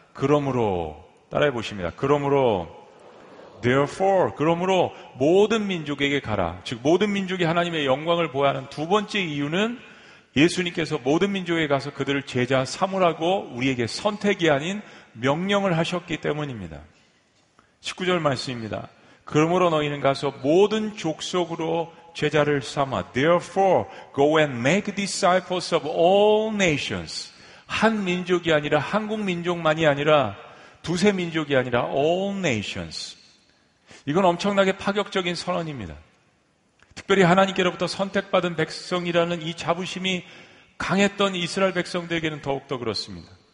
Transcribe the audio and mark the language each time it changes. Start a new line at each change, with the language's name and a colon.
Korean: 그러므로, 따라해 보십니다. 그러므로,
English: therefore,
Korean: 그러므로 모든 민족에게 가라. 즉 모든 민족이 하나님의 영광을 보아야 하는 두 번째 이유는 예수님께서 모든 민족에 가서 그들을 제자 삼으라고 우리에게 선택이 아닌 명령을 하셨기 때문입니다. 19절 말씀입니다. 그러므로 너희는 가서 모든 족속으로 제자를 삼아
English: therefore go and make disciples of all nations.
Korean: 한 민족이 아니라 한국 민족만이 아니라 두세 민족이 아니라
English: all nations.
Korean: 이건 엄청나게 파격적인 선언입니다. 특별히 하나님께로부터 선택받은 백성이라는 이 자부심이 강했던 이스라엘 백성들에게는 더욱더 그렇습니다.